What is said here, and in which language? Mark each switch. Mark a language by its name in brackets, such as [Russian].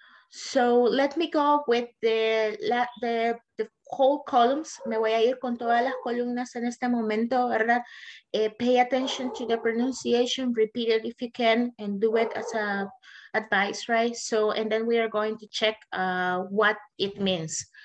[English] So, let me go with the whole columns. [Spanish] Me voy a ir con todas las columnas en este momento, ¿verdad? [English] Pay attention to the pronunciation, repeat it if you can, and do it as a advice, right? So, and then we are going to check what it means.